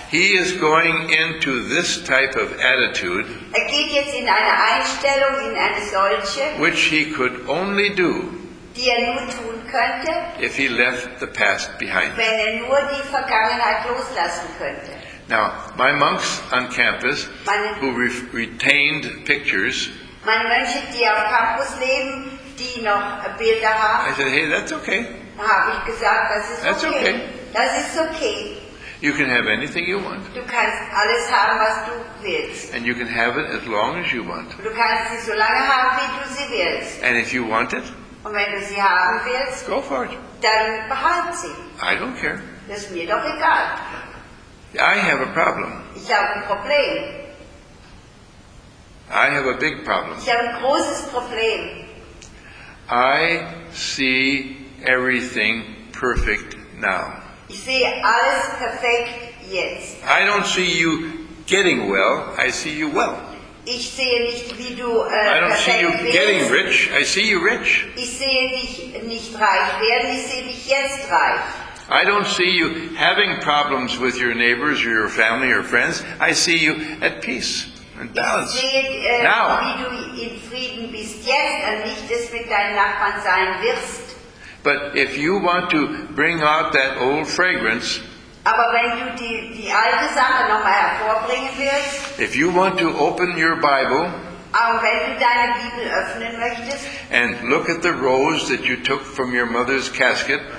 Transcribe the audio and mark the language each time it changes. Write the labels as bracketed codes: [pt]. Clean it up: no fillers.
[en] He is going into this type of attitude, [de] geht jetzt in eine Einstellung, in eine solche, [en] which he could only do, [de] die nur tun könnte, [en] if he left the past behind. [de] Wenn nur die Vergangenheit loslassen könnte. [en] Now, my monks on campus, who retained pictures, [de] meine Mönche, die auf Campus leben, die noch Bilder haben, [en] I said, hey, that's okay. [de] Habe ich gesagt, das ist [en] that's okay. [de] Das ist okay. [en] You can have anything you want. [de] Du kannst alles haben, was du willst. [en] And you can have it as long as you want. [de] Du kannst sie so lange haben, wie du sie willst. [en] And if you want it, [de] und wenn du sie haben willst, [en] go for it. [de] Dann behalte sie. [en] I don't care. [de] Das ist mir doch egal. [en] I have a problem. [de] Ich habe ein Problem. [en] I have a big problem. [de] Ich habe ein großes Problem. [en] I see everything perfect now. [de] Ich sehe alles perfekt jetzt. [en] I don't see you getting well. I see you well. [de] Ich sehe nicht, wie du, [en] I don't see you [de] willst. [en] Getting rich. I see you rich. [de] Ich sehe dich nicht reich werden. Ich sehe dich jetzt reich. [en] I don't see you having problems with your neighbors or your family or friends. I see you at peace and balance. [de] Ich sehe, [en] now, [de] wie du in Frieden bist jetzt und nicht das mit deinen Nachbarn sein wirst. [en] But if you want to bring out that old fragrance, [de] aber wenn du die alte Sache nochmal hervorbringen willst, [en] if you want to open your Bible, [de] auch wenn du deine Bibel öffnen möchtest, [en] and look at the rose that you took from your mother's casket,